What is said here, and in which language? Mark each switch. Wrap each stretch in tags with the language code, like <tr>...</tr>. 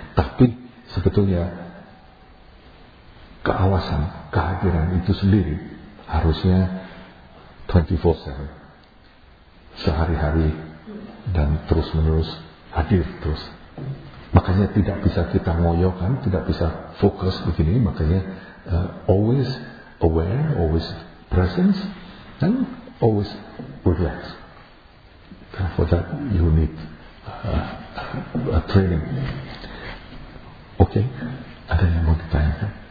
<id>Tapi sebetulnya keawasan, kehadiran itu sendiri harusnya 24/7, sehari-hari dan terus-menerus hadir terus. Makanya tidak bisa kita ngoyo kan, tidak bisa fokus begini. Makanya</id> <en>always aware, always presence, and always relax. For that you need a training.</en> <id>Okay, ada yang mau ditanyakan?</id>